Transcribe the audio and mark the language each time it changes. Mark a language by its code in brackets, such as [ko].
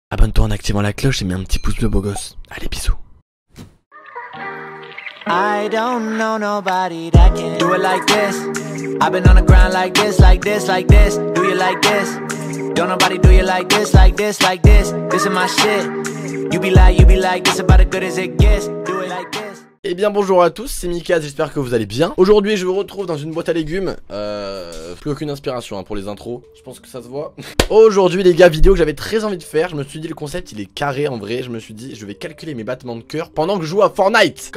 [fr] Abonne-toi en activant la cloche et mets un petit pouce bleu beau gosse. Allez, bisous. [en] I don't know nobody that can do it like this. I've been on the ground like this, like this, like this. Do you like this? Don't nobody do you like this, like this, like this. This is my shit. You be like, this about as good as it gets. Do it like this. [fr] Eh bien bonjour à tous, c'est Mikaz, j'espère que vous allez bien. Aujourd'hui je vous retrouve dans une boîte à légumes. Plus aucune inspiration hein, pour les intros, je pense que ça se voit. Aujourd'hui les gars, vidéo que j'avais très envie de faire. Je me suis dit le concept il est carré en vrai. Je me suis dit je vais calculer mes battements de cœur pendant que je joue à Fortnite.